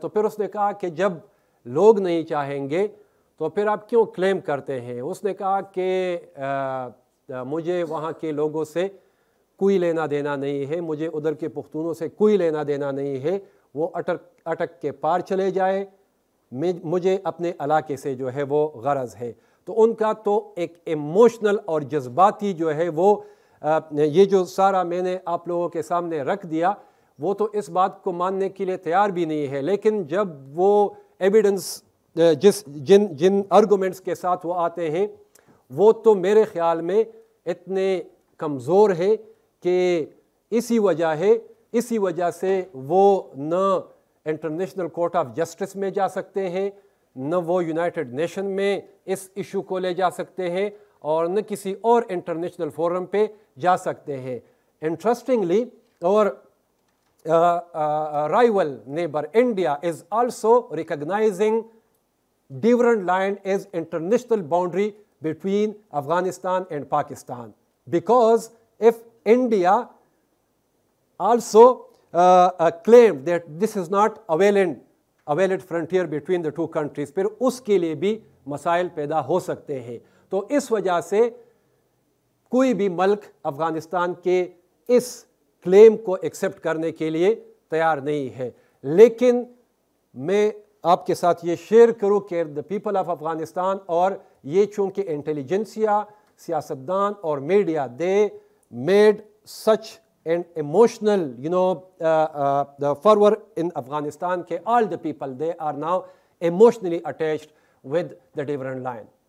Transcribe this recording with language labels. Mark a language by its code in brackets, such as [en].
[hi] To fir usne kaha ke jab log nahi chahenge तो फिर आप क्यों क्लेम करते हैं. उसने कहा कि मुझे वहां के लोगों से कोई लेना देना नहीं है, मुझे उधर के पख्तूनों से कोई लेना देना नहीं है, वो अटक के पार चले जाए, मुझे अपने इलाके से जो है वो गरज है. तो उनका तो एक इमोशनल और जज्बाती जो है वो ये जो सारा मैंने आप लोगों के सामने रख दिया, वो तो इस बात को मानने के लिए तैयार भी नहीं है. लेकिन जब वो एविडेंस जिन आर्गुमेंट्स के साथ वो आते हैं, वो तो मेरे ख्याल में इतने कमज़ोर है कि इसी वजह से वो न इंटरनेशनल कोर्ट ऑफ जस्टिस में जा सकते हैं, न वो यूनाइटेड नेशन में इस इशू को ले जा सकते हैं, और न किसी और इंटरनेशनल फोरम पे जा सकते हैं. [en] Interestingly और rival neighbour India is also recognising Durand Line is international boundary between Afghanistan and Pakistan. Because if India also claimed that this is not a valid frontier between the two countries, [hi] फिर उसके लिए भी मसाइल पैदा हो सकते हैं. तो इस वजह से कोई भी मुल्क अफगानिस्तान के इस क्लेम को एक्सेप्ट करने के लिए तैयार नहीं है. लेकिन मैं आपके साथ ये शेयर करूँ कि [en] the people of Afghanistan, [hi] और ये चूंकि इंटेलिजेंसिया, सियासतदान और media, [en] They made such an emotional you know the furore in Afghanistan के all the people they are now emotionally attached with the Durand Line.